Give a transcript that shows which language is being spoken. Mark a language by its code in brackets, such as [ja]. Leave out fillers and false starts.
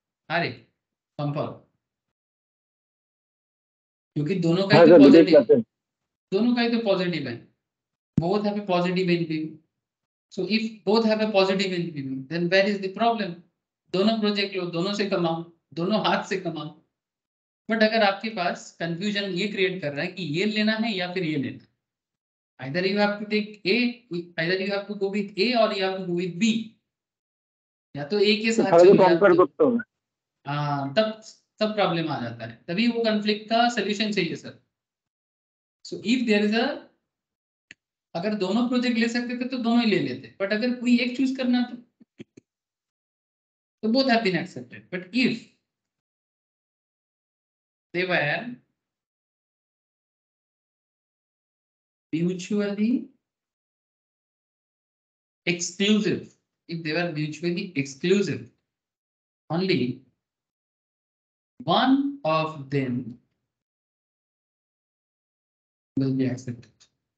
[hi] अरे संपर्क, क्योंकि दोनों का ही तो पॉजिटिव, दोनों का ही तो पॉजिटिव है. [en] Both have a positive NPV. So if both have a positive NPV, then where is the problem? [hi] दोनों प्रोजेक्ट लो, दोनों से कमाओ, दोनों हाथ से कमाओ. बट अगर आपके पास कंफ्यूजन ये क्रिएट कर रहा है कि ये लेना है या फिर ये लेना, [en] either you have to take A, either you have to go with A [hi] और [en] you have to go with B, [hi] या तो ए के साथ चलो कंपेयर करते हो, हां तब तब प्रॉब्लम आ जाता है. तभी वो कंफ्लिक्ट का सलूशन चाहिए sir. [en] so if there is a, [hi] अगर दोनों प्रोजेक्ट ले सकते थे तो दोनों ही ले लेते, बट अगर कोई एक चूज करना तो [en] Both have been accepted. But if they were mutually exclusive, if they were mutually exclusive, only one of them will be accepted.